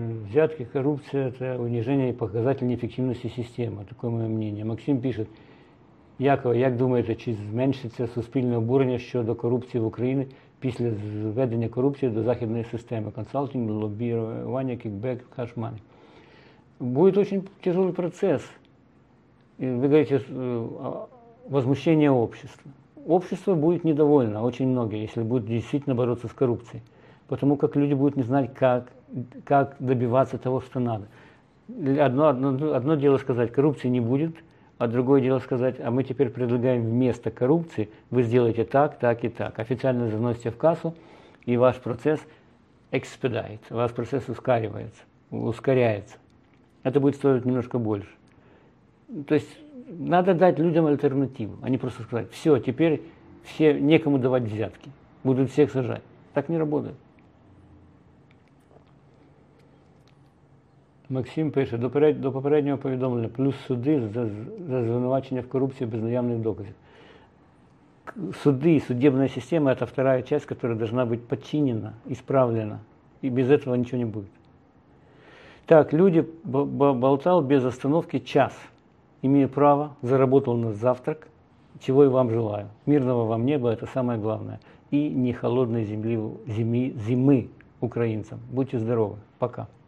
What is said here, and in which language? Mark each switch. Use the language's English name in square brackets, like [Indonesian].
[Russian] Взятки, коррупция – это унижение и показатель неэффективности системы. Такое мое мнение. Максим пишет: [Ukrainian] «Яков, як думаєте, чи зменшиться суспільне обурення щодо корупції в Україні після введення корупції до західної системи? Консалтинг, лобірування, кікбек, кашмани». [Russian] Будет очень тяжелый процесс. Вы говорите, возмущение общества. Общество будет недовольно, очень многие, если будут действительно бороться с коррупцией. Потому как люди будут не знать, как добиваться того, что надо. Одно дело сказать, коррупции не будет, а другое дело сказать, а мы теперь предлагаем вместо коррупции, вы сделаете так, так и так. Официально заносите в кассу, и ваш процесс expedite, ваш процесс ускоряется. Это будет стоить немножко больше. То есть надо дать людям альтернативу, а не просто сказать, все, теперь все некому давать взятки, будут всех сажать. Так не работает. [Ukrainian] Максим пише: до попереднього повідомлення, плюс суди за звинувачення в корупції без наявних доказів. Суди і судебна система – це вторая часть, яка повинна бути починена, ісправлена. І без цього нічого не буде. [Russian] Так, люди болтали без остановки час. Имею право, заработав на завтрак, [Ukrainian] чого і вам [Russian] желаю. Мирного вам неба – це самое главное. [Ukrainian] І не холодної зими українцям. Будьте здорові. Пока.